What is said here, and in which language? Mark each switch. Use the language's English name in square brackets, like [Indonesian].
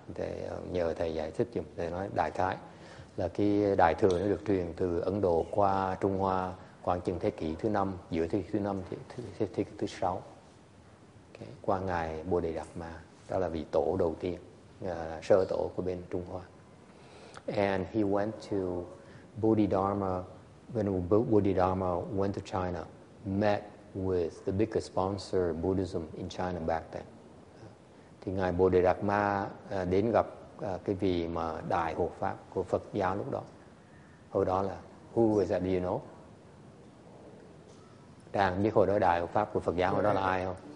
[Vietnamese] Thì nhờ thầy giải thích giùm, thầy nói đại khái là cái đại thừa nó được truyền từ Ấn Độ qua Trung Hoa khoảng chừng thế kỷ thứ 5, giữa thế kỷ thứ 5 thế kỷ thứ 6. Okay. Qua ngài Bồ Đề Đạt Ma, đó là vị tổ đầu tiên, sơ tổ của bên Trung Hoa. [English] And he went to Bodhidharma, when Bodhidharma went to China, met with the biggest sponsor of Buddhism in China back then. [Vietnamese] Thì ngài Bồ Đề Đạt Ma đến gặp cái vị mà đại hộ pháp của Phật giáo lúc đó. Hồi đó là [English] who was that, do you know? [Vietnamese] Đang biết hồi đó đại hộ pháp của Phật giáo hồi đó là ai không?